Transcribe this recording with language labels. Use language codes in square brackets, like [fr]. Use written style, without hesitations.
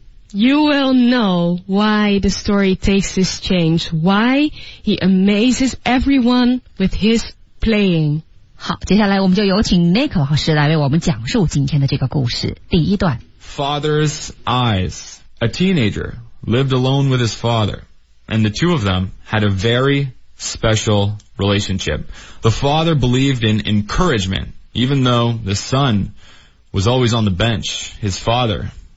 [en] You will know why the story takes this change, why he amazes everyone with his playing. [zh] 好，接下来我们就有请 Nick 老师来为我们讲述今天的这个故事。第一段。 [en] Father's eyes. A teenager lived alone with his father, and the two of them had a very special relationship. The father believed in encouragement. Even though the son was always on the bench, his father